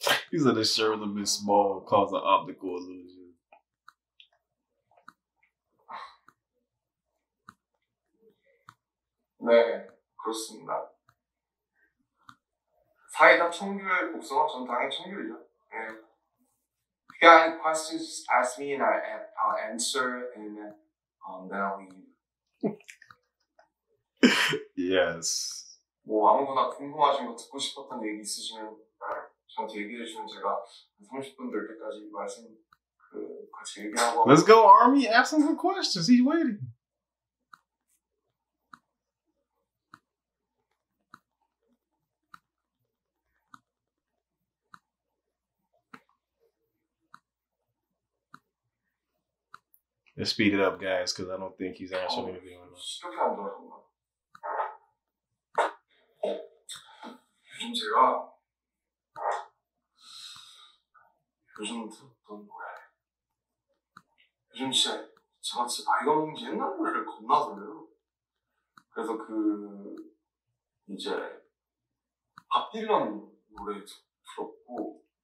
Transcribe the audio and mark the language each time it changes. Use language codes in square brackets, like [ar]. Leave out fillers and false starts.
[en] He said his shirt was a bit small because of optical illusion. [ko] 네, 그렇습니다. 사이다 청귤 복숭아 전 당연히 청귤이죠. 네. [en] If you have any questions, just ask me and I'll answer and then I'll leave. Yes. [ko] 뭐 아무거나 궁금하신 거 듣고 싶었던 얘기 있으시면 저한테 얘기해 주시면 제가 30분 될 때까지 말씀 그 같이 얘기하고 [en] Let's go Army, ask him some questions, he's waiting. Let's speed it up, guys, because I don't think he's answering anything. Right now. [ko] 이렇게 안 돌아가. 요즘 제가 요즘 듣던 노래. 요즘 진짜 제가 진짜 나이가 먹는 게 옛날 노래를 겁나 들어요. 그래서 그 이제 밥 딜런 노래 들었고.